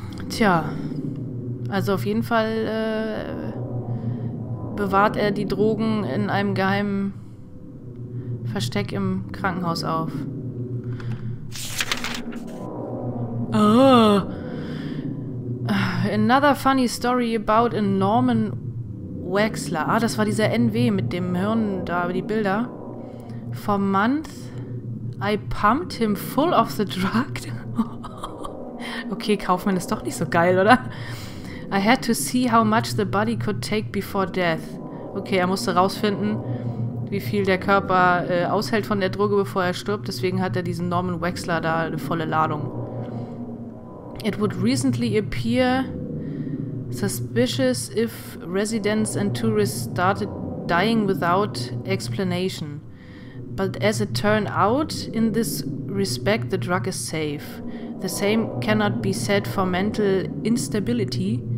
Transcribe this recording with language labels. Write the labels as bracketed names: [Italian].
[German] Tja, also auf jeden Fall bewahrt er die Drogen in einem geheimen Versteck im Krankenhaus auf. [English] Oh. Another funny story about a Norman Wexler. [German] Ah, das war dieser NW mit dem Hirn da, die Bilder. [English] For month I pumped him full of the drug. [German] Okay, Kaufmann ist doch nicht so geil, oder? [English] I had to see how much the body could take before death. [German] Okay, er musste rausfinden, wie viel der Körper aushält von der Droge, bevor er stirbt. Deswegen hat er diesen Norman Wexler da eine volle Ladung. [English] It would recently appear suspicious if residents and tourists started dying without explanation. But as it turned out, in this respect the drug is safe. The same cannot be said for mental instability.